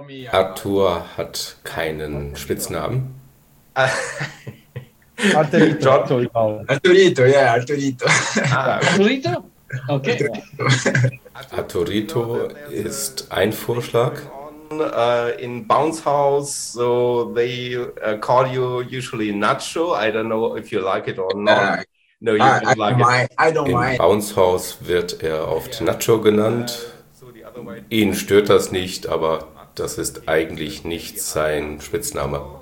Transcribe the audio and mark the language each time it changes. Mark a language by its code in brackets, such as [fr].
[de] Arthur hat keinen Spitznamen. Arturito. Arturito, ja, Arturito. Arturito? Okay. Arturito ist ein Vorschlag. [en] In Bounce House, so they call you usually Nacho. I don't know if you like it or not. No, you don't like it. I don't mind. [de] In Bounce House wird er oft Nacho genannt. Ihn stört das nicht, aber das ist eigentlich nicht sein Spitzname.